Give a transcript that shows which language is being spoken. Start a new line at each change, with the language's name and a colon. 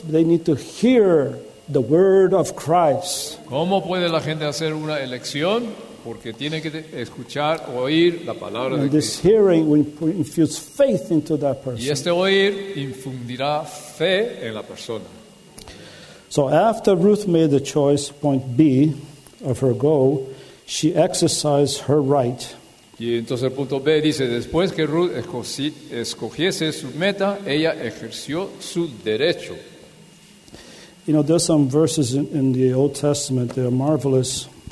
English: They need to hear the word of Christ.
Spanish: ¿Cómo puede la gente hacer una elección? Porque tiene que escuchar o oír la palabra
English: and
Spanish: de
English: this
Spanish: Cristo.
English: Hearing will infuse faith into that person.
Spanish: Y este oír infundirá fe en la persona.
English: So after Ruth made the choice, point B, of her goal, She exercised her right.
Spanish: Y entonces el punto B dice, después que Ruth escogiese su meta, ella ejerció su derecho.
English: You know, there's some verses in the Old Testament that are marvelous.